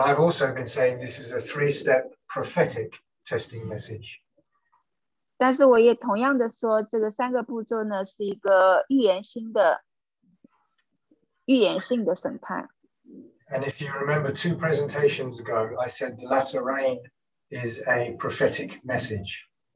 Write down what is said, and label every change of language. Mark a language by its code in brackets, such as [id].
[en] I've also been saying this is a three-step prophetic testing message. [zh] 但是我也同样的说，这个三个步骤呢是一个预言性的审判。 [en] And if you remember two presentations ago, I said the latter rain is a prophetic message.